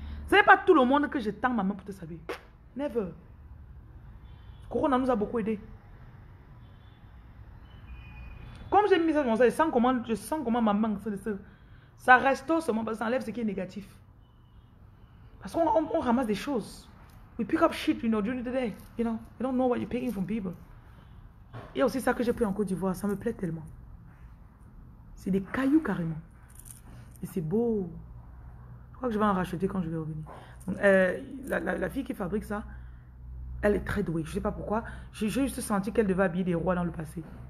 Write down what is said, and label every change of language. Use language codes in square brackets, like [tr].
[fr] Ce n'est pas tout le monde que je tends ma main pour te saluer. [en] Never. [fr] Corona nous a beaucoup aidé. Comme j'ai mis ça comme ça, je sens comment ma main ça restaure seulement parce que ça enlève ce qui est négatif. Parce qu'on ramasse des choses. [en] We pick up shit, you know, during the day. You know, you don't know what you're picking from people. [fr] Il y a aussi ça que j'ai pris en Côte d'Ivoire. Ça me plaît tellement. C'est des cailloux carrément. Et c'est beau. Je crois que je vais en racheter quand je vais revenir. La fille qui fabrique ça, elle est très douée. Je ne sais pas pourquoi. J'ai juste senti qu'elle devait habiller des rois dans le passé.